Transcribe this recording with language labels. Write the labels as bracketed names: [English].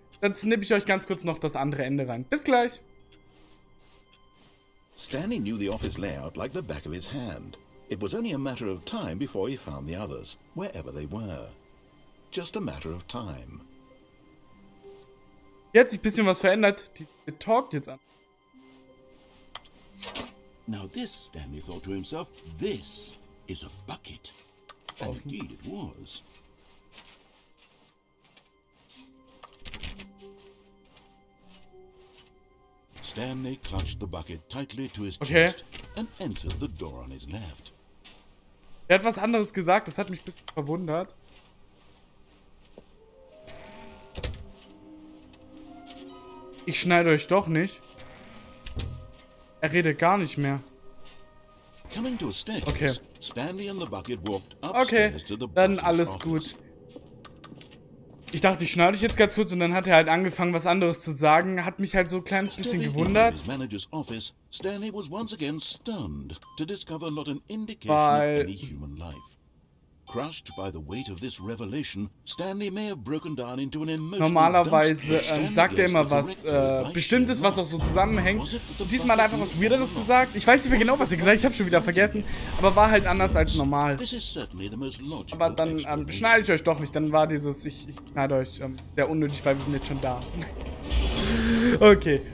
[German] Dann snippe ich euch ganz kurz noch das andere Ende rein. Bis gleich. [English] Stanley knew the office layout like the back of his hand. It was only a matter of time before he found the others, wherever they were. Just a matter of time. [German] Jetzt sich ein bisschen was verändert. Die talkt jetzt an. [English] Now this, Stanley thought to himself, this is a bucket. And indeed it was. Stanley clutched the bucket tightly to his chest and entered the door on his left. [German] Er hat was anderes gesagt, das hat mich ein bisschen verwundert. Ich schneide euch doch nicht. Er redet gar nicht mehr. [English] Coming to a stairs, okay. Stanley and the bucket walked upstairs okay. to the [German] dann alles office. Gut. Ich dachte, ich schneide euch jetzt ganz kurz und dann hat er halt angefangen, was anderes zu sagen. Hat mich halt so ein kleines bisschen gewundert. [English] Office, Stanley was once again stunned to discover not an indication of any human life. Crushed by the weight of this revelation, Stanley may have broken down into an emotional... [German] Normalerweise sagt er immer was Bestimmtes, was auch so zusammenhängt. Und diesmal hat er einfach was Weirderes gesagt. Ich weiß nicht mehr genau, was er gesagt hat. Ich habe schon wieder vergessen. Aber war halt anders als normal. Aber dann schneide ich euch doch nicht. Dann war dieses... Ich schneide euch sehr unnötig, weil wir sind jetzt schon da. Okay.